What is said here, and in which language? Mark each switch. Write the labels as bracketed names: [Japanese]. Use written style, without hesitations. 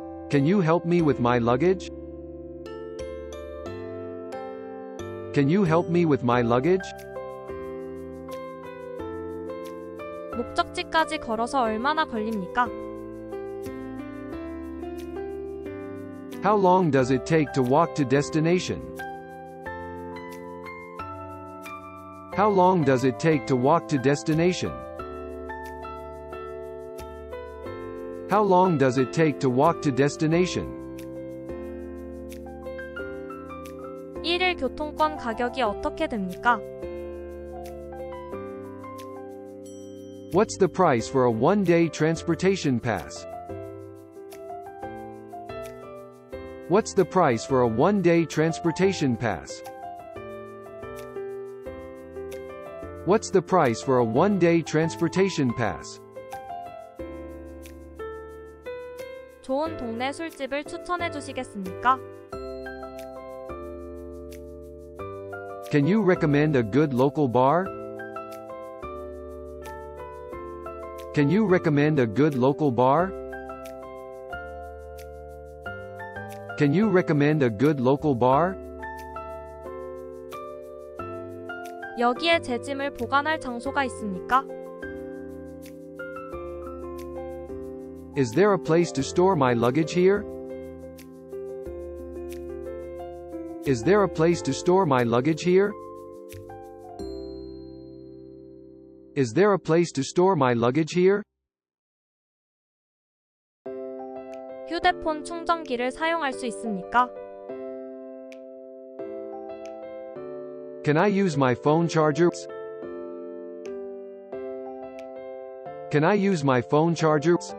[English] Can you help me with my luggage? Can you help me with my luggage? [Korean] 목적지까지 걸어서 얼마나 걸립니까? [English] How long does it take to walk to destination? How long does it take to walk to destination? How long does it take to walk to destination? [Korean] 1일 교통권 가격이 어떻게 됩니까? [English] What's the price for a one-day transportation pass? What's the price for a one-day transportation pass? What's the price for a one-day transportation pass? [Korean] 좋은 동네 술집을 추천해 주시겠습니까? [English] Can you recommend a good local bar? Can you recommend a good local bar? Can you recommend a good local bar? [Korean] 여기에 제 짐을 보관할 장소가 있습니까? [English] Is there a place to store my luggage here? Is there a place to store my luggage here? Is there a place to store my luggage here? [Korean] 휴대폰 충전기를 사용할 수 있습니까? [English] Can I use my phone charger? Can I use my phone charger?